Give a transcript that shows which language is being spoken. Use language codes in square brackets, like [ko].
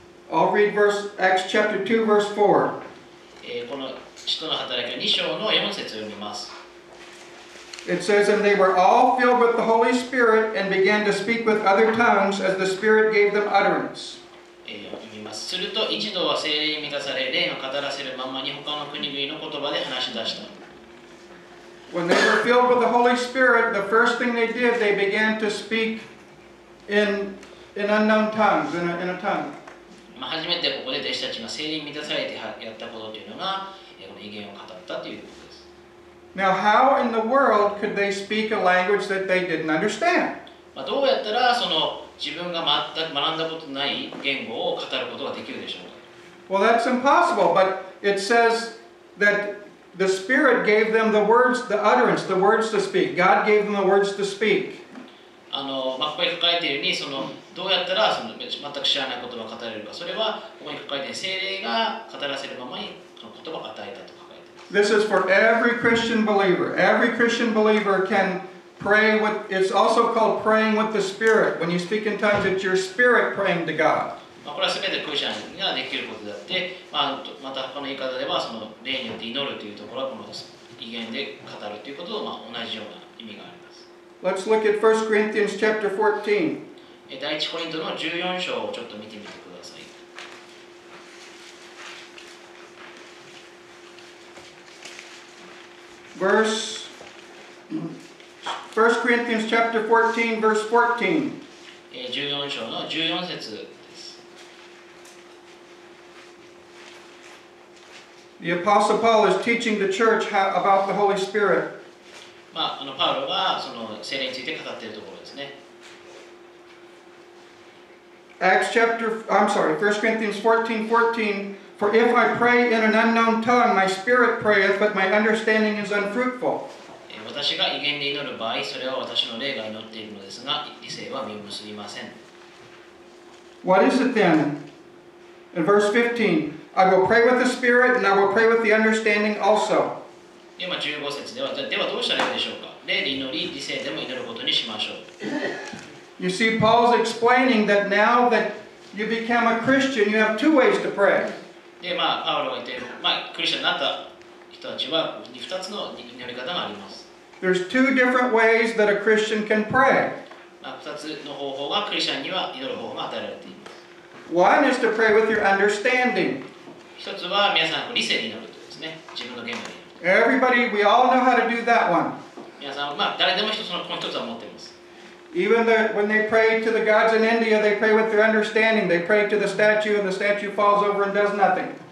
[en] I'll read verse Acts chapter 2 verse 4. [ja] この使徒の働きの2章の4節を読みます。 [en] It says, and they were all filled with the Holy Spirit and began to speak with other tongues as the Spirit gave them utterance. [ja] 読みます。すると一度は聖霊に満たされ霊を語らせるままに他の国々の言葉で話し出した。 [en] When they were filled with the Holy Spirit, the first thing they did, they began to speak in unknown tongues, in a tongue. [ja] まあ初めてここで弟子たちが聖霊に満たされてやったことというのが、この異言を語ったということです。 [en] Now, how in the world could they speak a language that they didn't understand? [ja] まあどうやったらその自分が全く学んだことない言語を語ることができるでしょうか? [en] Well, that's impossible, but it says that the Spirit gave them the words, the utterance, the words to speak. God gave them the words to speak. [ja] あのまあ、ここに書かれているようにそのどうやったらその全く知らない言葉を語れるかそれはここに書かれている聖霊が語らせるままにその言葉を与えたと書かれています [en] This is for every Christian believer. Every Christian believer can pray with it's also called praying with the Spirit. When you speak in tongues, it's your spirit praying to God. [ja] まあこれは全てクリスチャンができることであって、まあ、またこの言い方ではその霊によって祈るというところはこの異言で語るということと、まあ、同じような意味がある [en] Let's look at 1 Corinthians chapter 14. [ja] 第1コリントの14章をちょっと見てみてください。 [en] 1 Corinthians chapter 14, verse 14. [ja] 14章の14節です。 [en] The Apostle Paul is teaching the church about the Holy Spirit. [ja] まあ、あのパウロがその聖霊について語っているところですね。 [en] Acts chapter, I'm sorry, 1 Corinthians 14:14. For if I pray in an unknown tongue, my spirit prayeth, but my understanding is unfruitful. [ja] 私が異言で祈る場合、それは私の霊が祈っているのですが、理性は実を結びません。 [en] What is it then? In verse 15, I will pray with the spirit, and I will pray with the understanding also. [ja] 今15節では、ではどうしたらいいでしょうか。霊で祈り、理性でも祈ることにしましょう。 [en] You see, Paul's explaining that now that you become a Christian, you have two ways to pray. [ja] で、まあ、パウロが言っている、まあ、クリスチャンになった人たちは、2つの祈り方があります。 [en] There's two different ways that a Christian can pray. [ja] まあ、2つの方法が、クリスチャンには祈る方法が与えられています。 [en] One is to pray with your understanding. [ja] 一つは、皆さん、理性で祈るということですね。自分の言語で。 [en] Everybody, we all know how to do that one. [ja] 皆さん、まあ、誰でも一つのこの一つは持っています。 [en] Even the, when they pray to the gods in India, they pray with their understanding. They pray to the statue, and the statue falls over and does nothing.